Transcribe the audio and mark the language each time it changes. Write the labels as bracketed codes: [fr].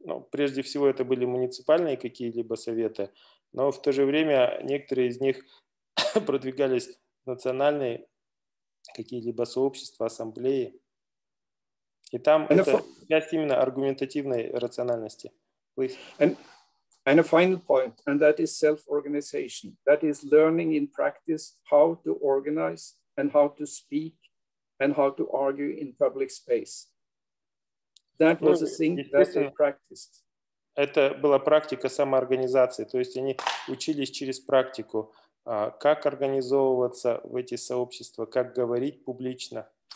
[ru] прежде всего, это были муниципальные какие-либо советы, но в то же время некоторые из них продвигались в национальные какие-либо сообщества, ассамблеи. И там and это часть именно аргументативной рациональности. [en] And a final point, and that is self-organization. That is learning in practice how to organize and how to speak and how to argue in public space. That was a thing that they practiced. [ru] Это была практика самоорганизации, то есть они учились через практику, как организовываться в эти сообщества, как говорить публично.